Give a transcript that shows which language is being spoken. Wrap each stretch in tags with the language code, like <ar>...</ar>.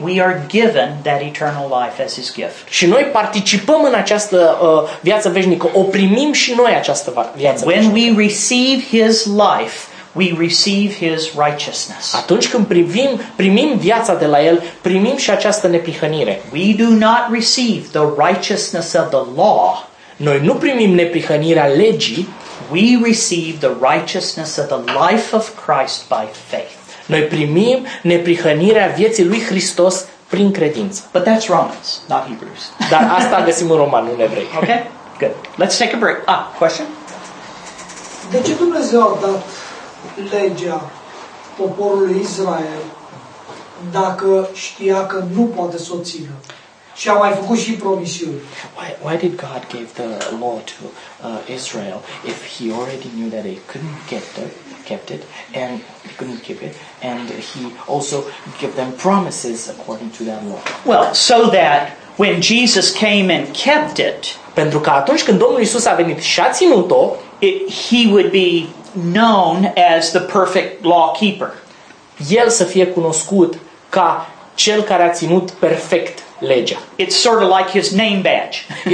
<en>We are given that eternal life as his gift.</en> <ro>Și noi participăm în această viață veșnică. O primim și noi această viață veșnică.</ro> <en>When we receive his life, we receive his righteousness.</en> <ro>Atunci când primim viața de la el, primim și această neprihănire.</ro> <en>We do not receive the righteousness of the law.</en> <ro>Noi nu primim neprihănirea legii.</ro> <en>We receive the righteousness of the life of Christ by faith.</en> <ro>Noi primim neprihănirea vieții lui Hristos prin credință.</ro> <en>But that's Romans, not Hebrews.</en> <ro>Dar asta găsim în Roman, nu în Evrei.</ro> <en>Okay? Good. Let's take a break. Ah, question?</en> <ro>De ce Dumnezeu a dat legea poporului Israel dacă știa că nu poate să o țină și a mai făcut și promisiuni?</ro> <en>Why did God give the law to Israel if he already knew that they couldn't kept it and couldn't keep it, and he also gave them promises according to that law? Well, so that when Jesus came and kept it,</en> <ro>pentru că atunci când Domnul Iisus a venit și a ținut-o,</ro> <en>he would be known as the perfect law keeper.</en> <ro>El să fie cunoscut ca cel care a ținut perfect legea.</ro> <en>It's sort of like his name badge.</en>